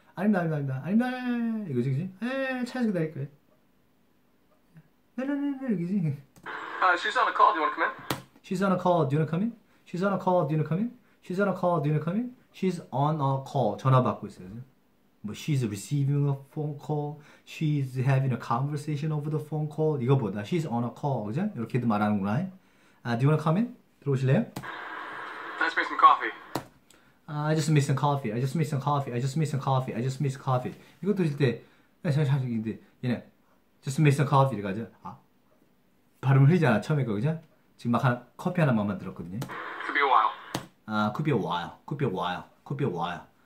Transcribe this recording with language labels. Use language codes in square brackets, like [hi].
[ko] 아닙니다, 아닙니다, 아닙니다. 이거지, 그지? 에이, 차에서 기다릴 거예요. 이러기지. [en] She's on a call. Do you want to come in? She's on a call. Do you wanna come in? She's on a call. Do you wanna come in? She's on a call. Do you wanna come in? She's on a call. [ko] 전화 받고 있어요. 뭐 [en] she's receiving a phone call. She's having a conversation over the phone call. [ko] 이거보다 [en] she's on a call. [ko] 그죠? 이렇게도 말하는구나. [en] Do you wanna come in? [ko] 들어오실래요? [en] Let's make some coffee. I just missed some coffee. I just missed some coffee. I just missed some coffee. I just missed coffee. [ko] 이것도 이럴 때, 잠시만요. 얘네. Just miss a coffee 이래가지고 아 발음 흘리잖아 처음에 거 그죠? 지금 막 커피 하나만 만들었거든요. [en] Could be a while. 아 could be a while, could be a while, could be a while.